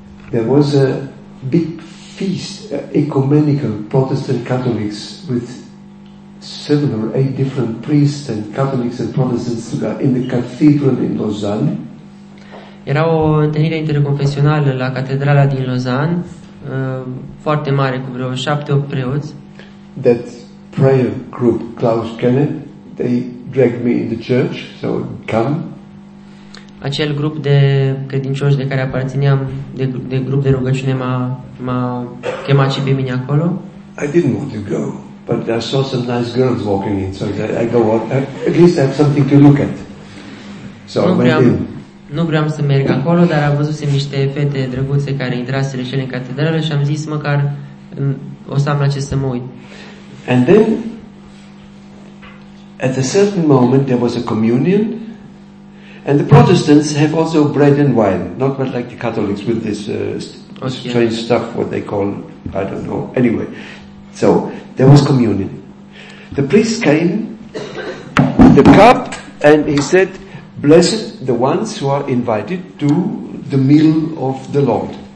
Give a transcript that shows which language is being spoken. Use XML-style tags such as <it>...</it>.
<en>There was a big feast, ecumenical Protestant Catholics with 7 or 8 different priests and Catholics and Protestants in the cathedral in Lausanne.</en> <ro>Era o întâlnire interconfesională la catedrala din Lausanne, foarte mare, cu vreo 7-8 preoți.</ro> <en>That prayer group, Klaus Kenneth, they dragged me in the church, so come.</en> <ro>Acel grup de credincioși de care aparțineam, de grup de rugăciune, m-a chemat și pe mine acolo.</ro> <en>I didn't want to go, but I saw some nice girls walking in, so I go out. At least I have something to look at. So</en> <ro>nu</ro> <en>I went in.</en> <ro>Nu vreau să merg acolo, dar am văzut niște fete drăguțe care intraseră și ele în catedrală și am zis măcar o să am la ce să mă uit.</ro> <en>And then at a certain moment there was a communion and the Protestants have also bread and wine, not much like the Catholics with this strange stuff what they call, I don't know. Anyway, so there was communion. The priest came with the cup and he said, "Blessed the ones who are invited to the meal of the Lord."</en>